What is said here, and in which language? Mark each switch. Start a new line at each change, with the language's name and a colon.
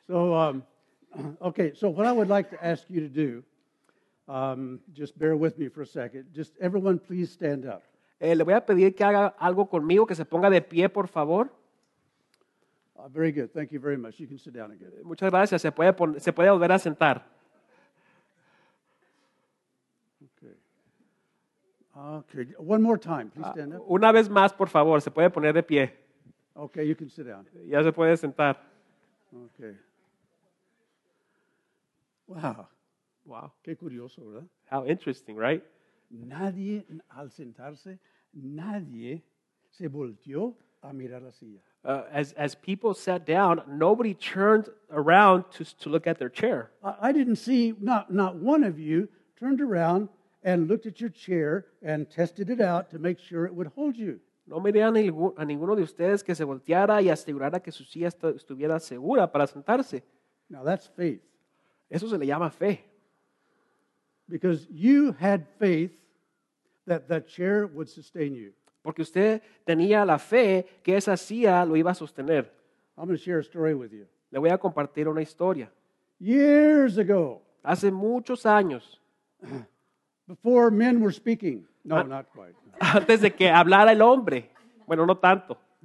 English: So, okay, so what I would like to ask you to do, just bear with me for a second. Just everyone, please stand up.
Spanish: Le voy a pedir que haga algo conmigo, que se ponga de pie, por favor.
English: Very good. Thank you very much. You can sit down again.
Spanish: Muchas gracias. Se puede volver a sentar.
English: Okay. One more time. Please stand up.
Spanish: Una vez más, por favor. Se puede poner de pie.
English: Okay, you can sit down.
Spanish: Ya se puede sentar.
English: Okay. Wow. Wow.
Spanish: Qué curioso, ¿verdad?
English: How interesting, right?
Spanish: Nadie, al sentarse, nadie se volteó a mirar la silla.
English: As people sat down, nobody turned around to look at their chair. I didn't see, not one of you turned around and looked at your chair and tested it out to make sure it would hold you.
Spanish: No miré a ninguno de ustedes que se volteara y asegurara que su silla estuviera segura para sentarse.
English: Now that's faith.
Spanish: Eso se le llama fe.
English: Because you had faith that the chair would sustain you.
Spanish: Porque usted tenía la fe que esa silla lo iba a sostener.
English: I'm going to share a story with you.
Spanish: Le voy a compartir una historia.
English: Years ago,
Spanish: hace muchos años,
English: before men were speaking, no, not quite.
Spanish: Antes de que hablara el hombre, bueno, no tanto.